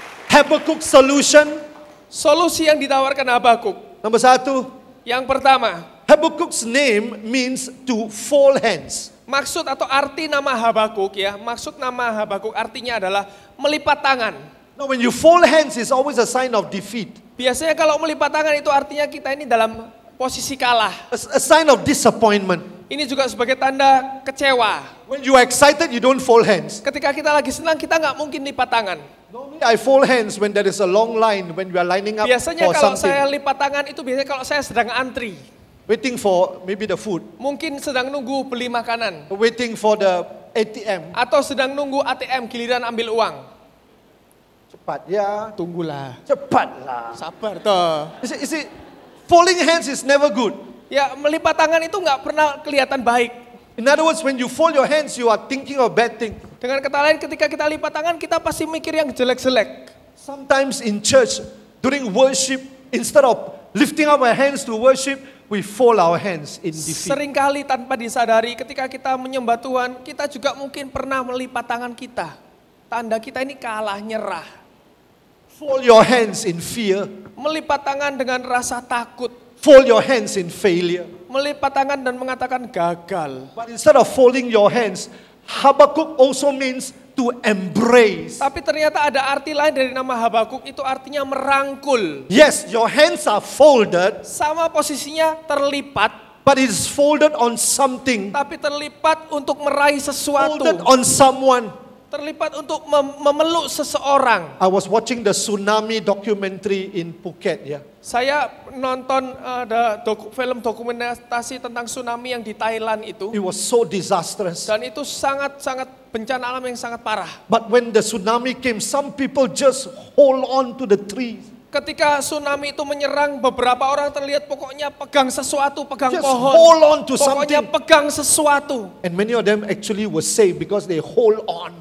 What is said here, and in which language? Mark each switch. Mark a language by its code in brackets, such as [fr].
[en] Habakuk solution. [id] Solusi yang ditawarkan Habakuk. Nomor satu. Yang pertama. [en] Habakuk's name means to fold hands. [id] Maksud atau arti nama Habakuk ya. Maksud nama Habakuk artinya adalah melipat tangan. [en] Now when you fold hands is always a sign of defeat. Biasanya kalau melipat tangan itu artinya kita ini dalam posisi kalah. A sign of disappointment. Ini juga sebagai tanda kecewa. When you are excited, you don't fold hands. Ketika kita lagi senang, kita enggak mungkin lipat tangan. Normally I fold hands when there is a long line, when we are lining up [id] biasanya [en] for something. [id] Biasanya kalau saya lipat tangan itu biasanya kalau saya sedang antri. [en] Waiting for maybe the food. [id] Mungkin sedang nunggu beli makanan. [en] Waiting for the ATM. [id] Atau sedang nunggu ATM giliran ambil uang. cepat ya. Tunggulah. Cepatlah. Sabar toh. [en] Is it falling hands is never good. [id] Ya, melipat tangan itu enggak pernah kelihatan baik. [en] In other words, when you fold your hands, you are thinking of bad thing. [id] Dengan kata lain, ketika kita lipat tangan, kita pasti mikir yang jelek-jelek. [en] Sometimes in church, during worship, instead of lifting up our hands to worship, we fold our hands in defeat. [id] Seringkali tanpa disadari, ketika kita menyembah Tuhan, kita juga mungkin pernah melipat tangan kita. Tanda kita ini kalah, nyerah. [en] Fold your hands in fear. [id] Melipat tangan dengan rasa takut. [en] Fold your hands in failure. [id] Melipat tangan dan mengatakan gagal. [en] But instead of folding your hands, Habakuk also means to embrace. [id] Tapi ternyata ada arti lain dari nama Habakuk, itu artinya merangkul. [en] Yes, your hands are folded. [id] Sama posisinya terlipat. [en] But it is folded on something. [id] Tapi terlipat untuk meraih sesuatu. [en] Folded on someone. [id] Terlipat untuk memeluk seseorang. [en] I was watching the tsunami documentary in Phuket, ya. [id] Saya nonton film dokumentasi tentang tsunami yang di Thailand itu. [en] It was so disastrous. [id] Dan itu sangat-sangat bencana alam yang sangat parah. [en] But when the tsunami came, some people just hold on to the trees. [id] Ketika tsunami itu menyerang, beberapa orang terlihat pokoknya pegang sesuatu, pegang [en] just [id] pohon. [en] Hold on to [id] pokoknya [en] something. [id] Pegang sesuatu. [en] And many of them actually were saved because they hold on.